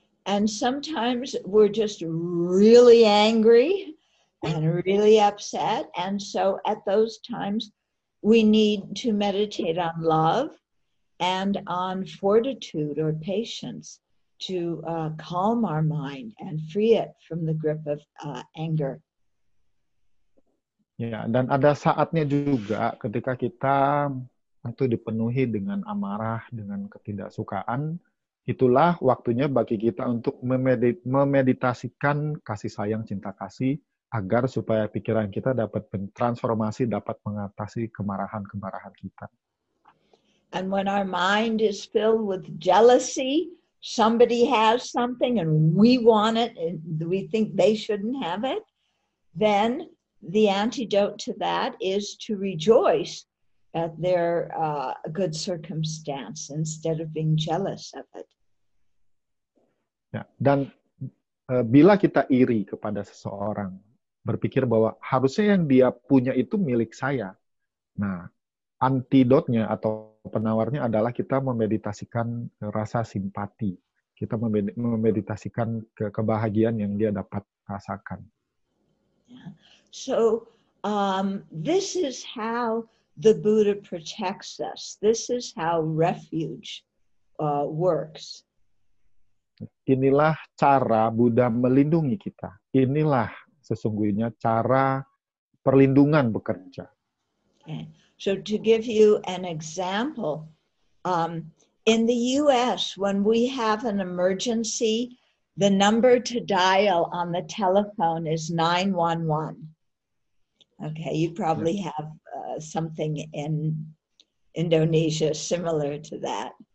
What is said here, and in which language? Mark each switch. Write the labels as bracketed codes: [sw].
[en] And sometimes we're just really angry and really upset, and so at those times we need to meditate on love and on fortitude or patience to calm our mind and free it from the grip of anger. [id] Ya, dan ada saatnya juga ketika kita itu dipenuhi dengan amarah, dengan ketidaksukaan, itulah waktunya bagi kita untuk memeditasikan kasih sayang, cinta kasih, agar supaya pikiran kita dapat bertransformasi, dapat mengatasi kemarahan-kemarahan kita. [en] And when our mind is filled with jealousy, somebody has something and we want it and we think they shouldn't have it, then the antidote to that is to rejoice at their good circumstance instead of being jealous of it. [id] Ya, dan bila kita iri kepada seseorang, berpikir bahwa harusnya yang dia punya itu milik saya. Nah, antidotnya atau penawarnya adalah kita memeditasikan rasa simpati. Kita memeditasikan kebahagiaan yang dia dapat rasakan. [en] So, this is how the Buddha protects us. This is how refuge works. [id] Inilah cara Buddha melindungi kita. Inilah sesungguhnya cara perlindungan bekerja. [en] Okay. So to give you an example, in the US, when we have an emergency, the number to dial on the telephone is 911. Okay, you probably have something in Indonesia similar to that.